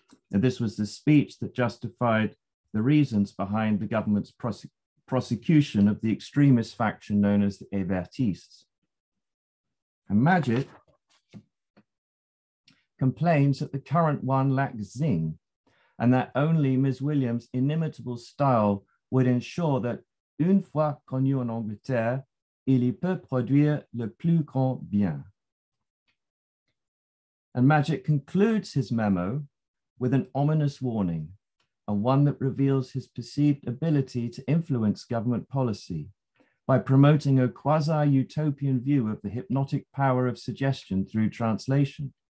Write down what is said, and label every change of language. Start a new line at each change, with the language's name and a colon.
English: And this was the speech that justified the reasons behind the government's prosecution of the extremist faction known as the Évertistes. And Maget complains that the current one lacks zing, and that only Ms. Williams' inimitable style would ensure that
French: une fois connu en Angleterre, il y peut produire le plus grand bien.
English: And Maget concludes his memo with an ominous warning, and one that reveals his perceived ability to influence government policy by promoting a quasi-utopian view of the hypnotic power of suggestion through translation.